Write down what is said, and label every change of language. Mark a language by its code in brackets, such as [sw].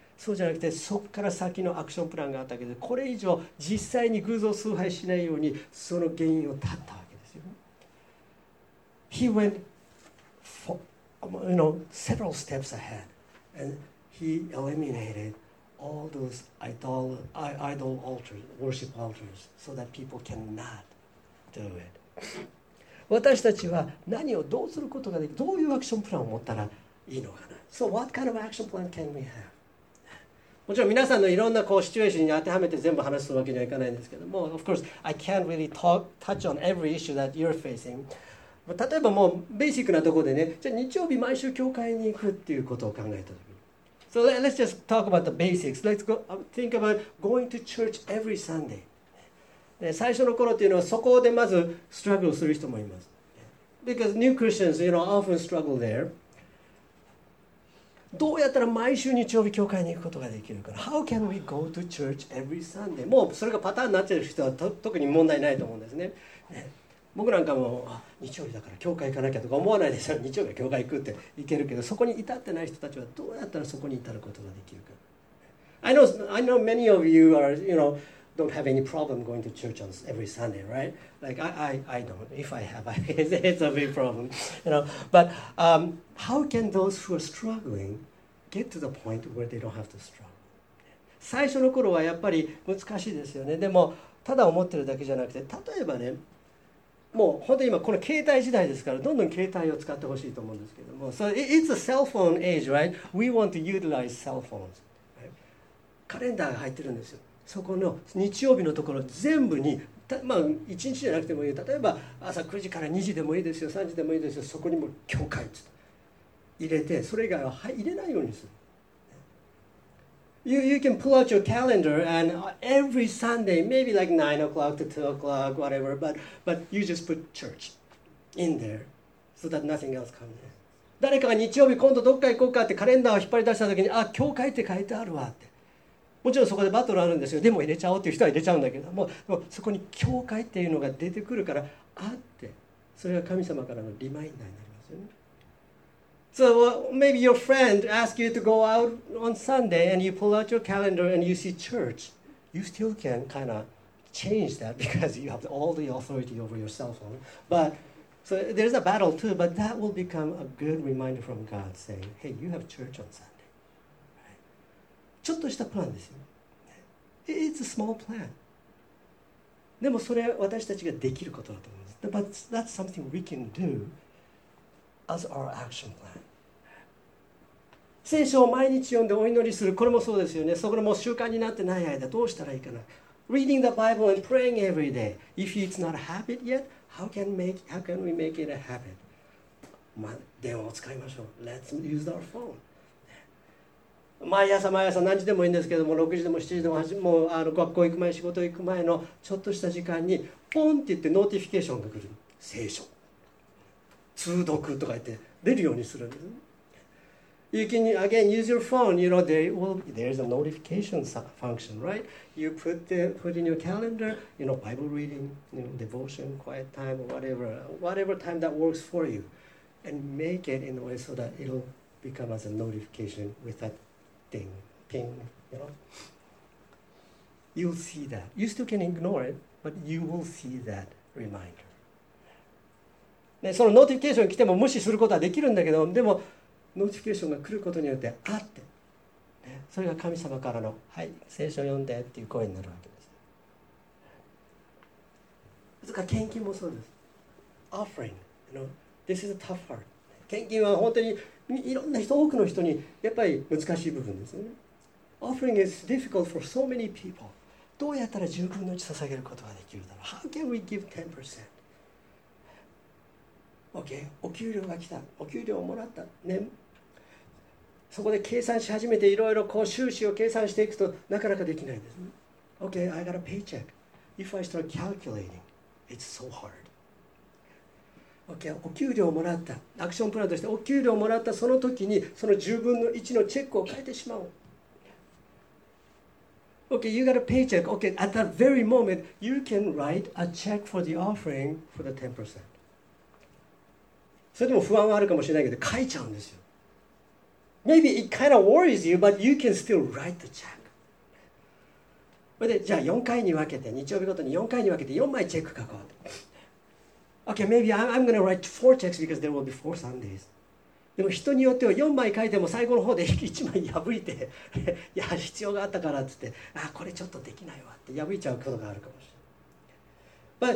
[ja] そうじゃなくて、そこから先のアクションプランがあったけど、これ以上実際に偶像崇拝しないようにその原因を断ったわけですよ。 [en] He went for, you know, several steps ahead and he eliminated. All those idol altars, worship altars, so that people cannot do it. [ja] 私たちは何をどうすることができ、どういうアクションプランを持ったらいいのかな。 [en] So what kind of action plan can we have? [ja] もちろん皆さんのいろんなこうシチュエーションに当てはめて全部話すわけにはいかないんですけども、 [en] Of course, I can't really touch on every issue that you're facing. [ja] 例えばもうベーシックなところでね、じゃあ日曜日毎週教会に行くっていうことを考えたとき、 [en] So let's just talk about the basics. Let's go think about going to church every Sunday. [ja] で、最初の頃っていうのはそこでまずstruggleする人もいます。 [en] Because new Christians, you know, often struggle there. [ja] どうやったら毎週日曜日教会に行くことができるか。 [en] How can we go to church every Sunday? [ja] もうそれがパターンになっている人は特に問題ないと思うんですね。僕なんかも日曜日だから教会行かなきゃとか思わないでしょ。日曜日は教会行くって行けるけど、そこに至ってない人たちはどうやったらそこに至ることができるか。 [en] I know many of you are, you know, don't have any problem going to church on every Sunday, right? Like I don't. If I have, it's a big problem, you know. But how can those who are struggling get to the point where they don't have to struggle? [ja] 最初の頃はやっぱり難しいですよね。でもただ思ってるだけじゃなくて、例えばね、もう本当に今この携帯時代ですから、どんどん携帯を使ってほしいと思うんですけども、 [en] So it's a cell phone age, right? We want to utilize cell phones.、Right? [ja] カレンダーが入ってるんですよ。そこの日曜日のところ全部に、まあ一日じゃなくてもいい。例えば朝9時から2時でもいいですよ、3時でもいいですよ。そこにも教会っつって入れて、それ以外は入れないようにする。 [en] You can pull out your calendar and every Sunday, maybe like 9 o'clock to 2 o'clock, whatever, but you just put church in there so that nothing else comes in. [ja] 誰かが日曜日今度どっか行こうかってカレンダーを引っ張り出した時に、あ、教会って書いてあるわって。もちろんそこでバトルあるんですよ。でも入れちゃおうっていう人は入れちゃうんだけど、もうそこに教会っていうのが出てくるから、あって、それが神様からのリマインダーになりますよね。 [en] So maybe your friend asks you to go out on Sunday and you pull out your calendar and you see church. You still can kind of change that because you have all the authority over your cell phone. But so there's a battle too, but that will become a good reminder from God saying, hey, you have church on Sunday. Right? [ja] ちょっとしたプランですよ。 [en] It's a small plan. [ja] でもそれ私たちができることだと思います。 [en] But that's something we can do. As our action plan. [ja] 聖書を毎日読んでお祈りする、これもそうですよね。そこでもう習慣になってない間、どうしたらいいかな。 [en] Reading the Bible and praying every day. If it's not a habit yet, how can we make it a habit? [ja] まあ、電話を使いましょう。 [en] Let's use our phone. [ja] 毎朝何時でもいいんですけども、6時でも7時でも、もうあの学校行く前、仕事行く前のちょっとした時間に、ポンって言ってノーティフィケーションが来る。聖書。通読とか言って出るようにするんです。 [en] You can again use your phone. You know there's a notification function, right? You put in your calendar. You know Bible reading, you know devotion, quiet time, whatever time that works for you, and make it in a way so that it'll become as a notification with that ding, ping. You know, you'll see that. You still can ignore it, but you will see that reminder. [ja] ね、そのノーティフィケーションが来ても無視することはできるんだけど、でもノーティフィケーションが来ることによってあって、ね、それが神様からのはい聖書を読んでっていう声になるわけです。それから献金もそうです。 [en] Offering, you know, this is a tough part. [ja] 献金は本当にいろんな人多くの人にやっぱり難しい部分ですね。 [en] Offering is difficult for so many people. [ja] どうやったら10分の1捧げることができるだろう。 [en] How can we give 10%? Okay. [ja] お給料が来た、お給料をもらった、ね、そこで計算し始めていろいろこう収支を計算していくとなかなかできないです。 [en] Okay, I got a paycheck. If I start calculating, it's so hard. [ja] Okay, お給料をもらった、アクションプランとしてお給料をもらったその時にその10分の1のチェックを書いてしまおう。 [en] Okay, you got a paycheck. Okay, at that very moment, you can write a check for the offering for the 10%. [ja] それでも不安はあるかもしれないけど書いちゃうんですよ。 [en] Maybe it kind of worries you, but you can still write the check. [ja] それでじゃあ4回に分けて、日曜日ごとに4回に分けて4枚チェック書こうと。 [en] Okay, maybe I'm going to write 4 checks because there will be 4 Sundays. [ja] でも人によっては4枚書いても最後の方で1枚破いて、いや必要があったからって言って、あこれちょっとできないわって破いちゃうことがあるかもしれない。